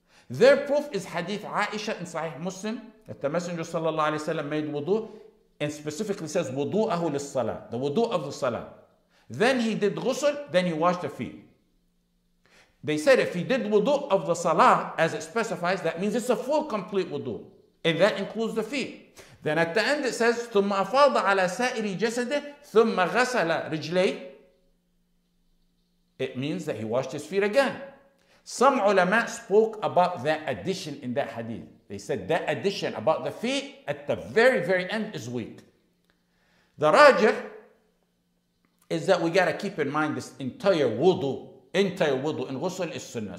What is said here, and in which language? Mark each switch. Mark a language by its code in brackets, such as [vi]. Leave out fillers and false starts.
[en] Their proof is Hadith Aisha in Sahih Muslim that the Messenger sallallahu alayhi wa sallam made wudu and specifically says wudu'ahu lis-salah, the wudu of the salah. Then he did ghusl, then he washed the feet. They said if he did wudu of the salah as it specifies, that means it's a full complete wudu and that includes the feet. Then at the end it says, [ar] ثم أفاض على سائر جسده ثم غسل رجلي. [en] It means that he washed his feet again. Some ulama spoke about that addition in that hadith. They said that addition about the feet at the very, very end is weak. The rajih is that we got to keep in mind this entire wudu in ghusl is sunnah.